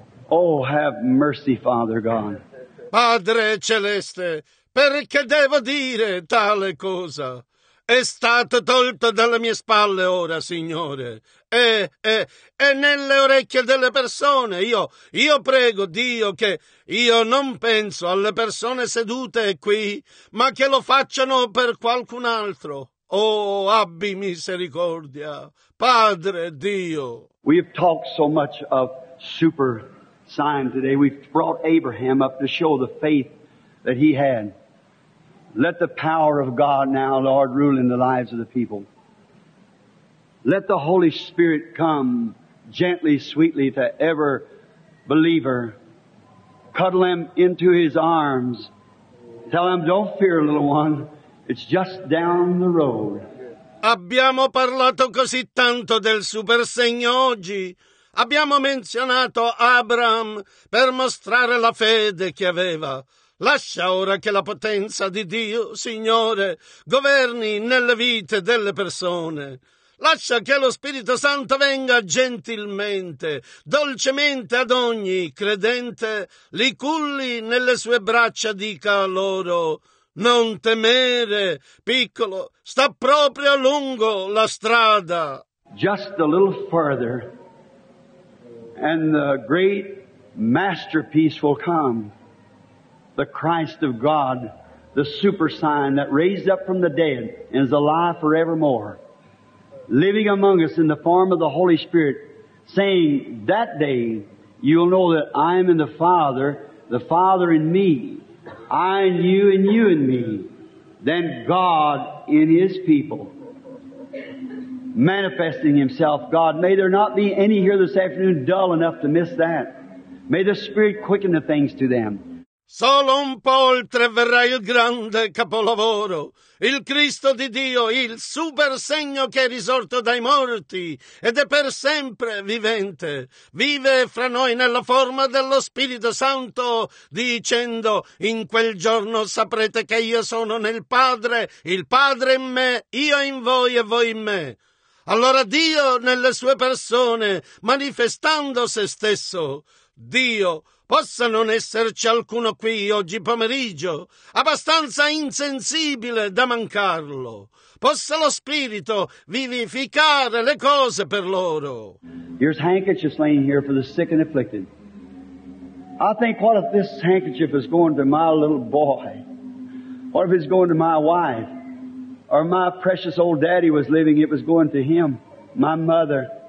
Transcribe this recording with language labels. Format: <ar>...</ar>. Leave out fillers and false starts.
<en>Oh, have mercy, Father God.</en> <it>Padre Celeste, perché devo dire tale cosa? È stato tolto dalle mie spalle ora, Signore. E nelle orecchie delle persone. Io prego, Dio, che io non penso alle persone sedute qui, ma che lo facciano per qualcun altro. Oh, abbi misericordia. Padre Dio.</it> <en>We have talked so much of super sign today. We've brought Abraham up to show the faith that he had. Let the power of God now, Lord, rule in the lives of the people. Let the Holy Spirit come gently, sweetly to every believer. Cuddle him into his arms. Tell him, don't fear, little one. It's just down the road.</en> <it>Abbiamo parlato così tanto del super segno oggi. Abbiamo menzionato Abraham per mostrare la fede che aveva. Lascia ora che la potenza di Dio, Signore, governi nelle vite delle persone. Lascia che lo Spirito Santo venga gentilmente, dolcemente ad ogni credente, li culli nelle sue braccia, dica a loro, non temere, piccolo, sta proprio lungo la strada.</it> <en>Just a little further, and the great masterpiece will come. The Christ of God, the super sign that raised up from the dead and is alive forevermore, living among us in the form of the Holy Spirit, saying, that day you'll know that I am in the Father in me, I in you and you in me, then God in His people, manifesting Himself, God. May there not be any here this afternoon dull enough to miss that. May the Spirit quicken the things to them.</en> <it>Solo un po' oltre verrà il grande capolavoro, il Cristo di Dio, il super segno che è risorto dai morti ed è per sempre vivente. Vive fra noi nella forma dello Spirito Santo, dicendo, in quel giorno saprete che io sono nel Padre, il Padre in me, io in voi e voi in me. Allora Dio nelle sue persone, manifestando se stesso, Dio, possa non esserci alcuno qui oggi pomeriggio, abbastanza insensibile da mancarlo. Possa lo Spirito vivificare le cose per loro.</it> <en>Here's handkerchiefs laying here for the sick and afflicted. I think, what if this handkerchief is going to my little boy? What if it's going to my wife? Or my precious old daddy was living, it was going to him, my mother.</en>